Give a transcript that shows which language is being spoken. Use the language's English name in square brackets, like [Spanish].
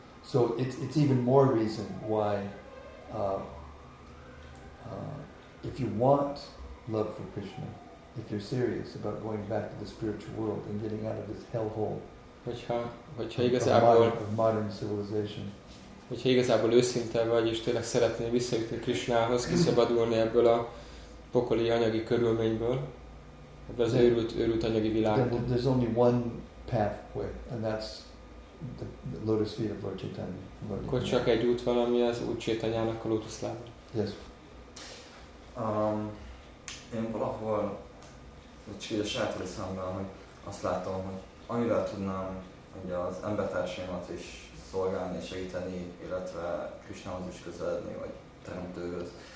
[English] So it's even more reason why if you want love for Krishna, if you're serious about going back to the spiritual world and getting out of this hellhole of modern civilization, [Hungarian] hogyha igazából őszinte vagy, és tényleg szeretnél visszajutni Krishnához, kiszabadulni ebből a pokoli anyagi körülményből, ebből az őrült anyagi világból. [English] There's only one pathway, and that's the lotus feet of Lord Chaitanya. [Hungarian] Akkor csak egy út van, ami az Úr Chaitanyának a lótuszlába. [English] Yes. [Hungarian] Én valahol a saját részemben azt látom, hogy annyira tudnám, hogy az embertársaimat is szolgálni, segíteni, illetve Krisnához is közeledni, vagy teremtőhöz.